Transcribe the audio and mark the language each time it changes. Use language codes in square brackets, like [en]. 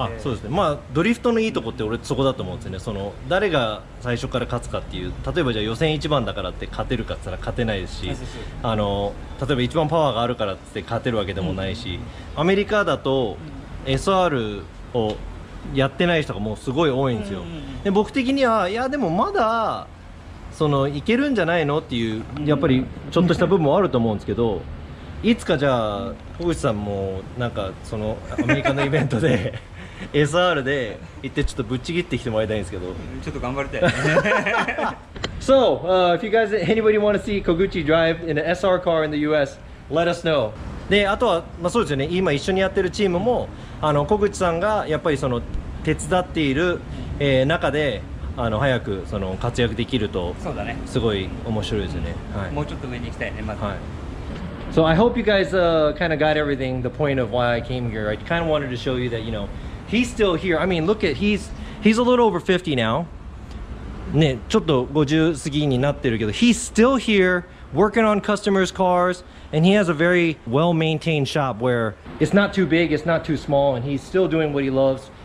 [ja] あ、そうですね、まあ、ドリフトのいいとこって俺そこだと思うんですよね。その誰が最初から勝つかっていう、例えばじゃあ予選1番だからって勝てるかって言ったら勝てないですし、あの例えば1番パワーがあるからって勝てるわけでもないし、うん、アメリカだと SR をやってない人がもうすごい多いんですよ、うん、で僕的にはいやでもまだそのいけるんじゃないのっていうやっぱりちょっとした部分もあると思うんですけど、いつかじゃあ小口さんもなんかそのアメリカのイベントでSR で行ってちょっとぶっちぎってきてもらいたいんですけど、ちょっと頑張りたい。 [en] So, if you guys, anybody want to see Koguchi drive in an SR car in the US, let us know. [ja] で、あとは、まあ、そうですよね、今一緒にやってるチームもあの小口さんがやっぱりその手伝っている、中であの早くその活躍できるとそうだね、すごい面白いですよね、はい、もうちょっと上に行きたいね、まず、 [en] はい、So I hope you guys kind of got everything, the point of why I came here. I kind of wanted to show you that, you know, he's still here. I mean, look at, he's a little over 50 now. [ja] ね、ちょっと50過ぎになってるけど、 [en] he's still here working on customers' cars, and he has a very well-maintained shop where it's not too big, it's not too small, and he's still doing what he loves.